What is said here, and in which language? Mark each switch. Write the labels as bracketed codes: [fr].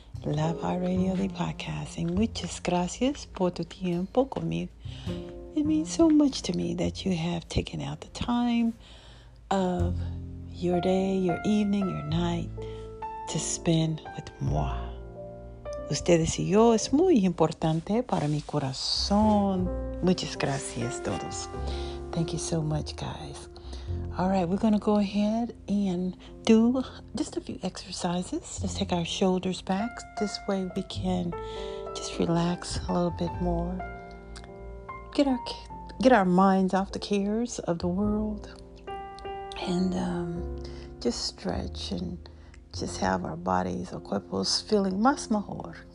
[es] Love Heart Radio de Podcast. And muchas gracias por tu tiempo conmigo. [en] It means so much to me that you have taken out the time of your day, your evening, your night to spend with moi. [es] Ustedes y yo es muy importante para mi corazón. Muchas gracias, todos. [en] Thank you so much, guys. All right, we're going to go ahead and do just a few exercises. Let's take our shoulders back. This way we can just relax a little bit more. Get our minds off the cares of the world and just stretch and just have our bodies or cuerpos feeling [es] más mejor.